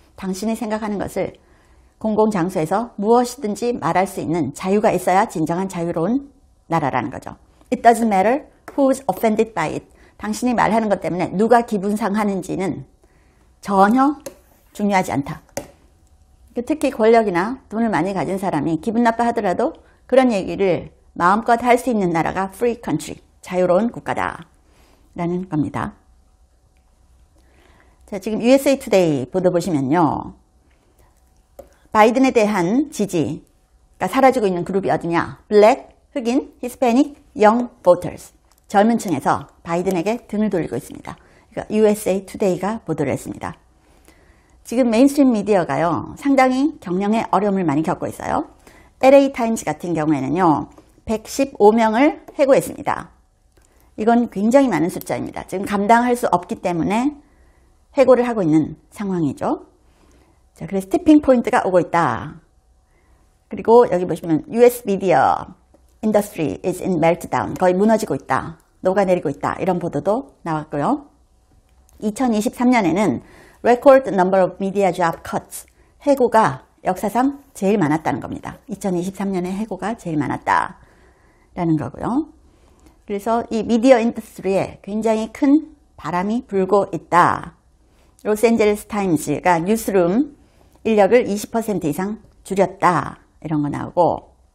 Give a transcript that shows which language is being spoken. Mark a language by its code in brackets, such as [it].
[ko] 당신이 생각하는 것을 공공장소에서 무엇이든지 말할 수 있는 자유가 있어야 진정한 자유로운 나라라는 거죠. [en] It doesn't matter who's offended by it. [ko] 당신이 말하는 것 때문에 누가 기분 상하는지는 전혀 중요하지 않다. 특히 권력이나 돈을 많이 가진 사람이 기분 나빠하더라도 그런 얘기를 마음껏 할수 있는 나라가 [en] free country, [ko] 자유로운 국가다라는 겁니다. 자, 지금 USA Today 보도 보시면요. 바이든에 대한 지지가 사라지고 있는 그룹이 어디냐? 블랙, 흑인, 히스패닉, [en] young voters. [ko] 젊은 층에서 바이든에게 등을 돌리고 있습니다. 그러니까 USA Today가 보도를 했습니다. 지금 메인스트림 미디어가요, 상당히 경영의 어려움을 많이 겪고 있어요. LA 타임즈 같은 경우에는요, 115명을 해고했습니다. 이건 굉장히 많은 숫자입니다. 지금 감당할 수 없기 때문에 해고를 하고 있는 상황이죠. 자, 그래서 티핑 포인트가 오고 있다. 그리고 여기 보시면 [en] US 미디어 industry is in meltdown. [ko] 거의 무너지고 있다. 녹아내리고 있다. 이런 보도도 나왔고요. 2023년에는 [en] record number of media job cuts. [ko] 해고가 역사상 제일 많았다는 겁니다. 2023년에 해고가 제일 많았다. 라는 거고요. 그래서 이 미디어 인더스트리에 굉장히 큰 바람이 불고 있다. 로스앤젤레스 타임즈가 뉴스룸 인력을 20% 이상 줄였다. 이런 거 나오고.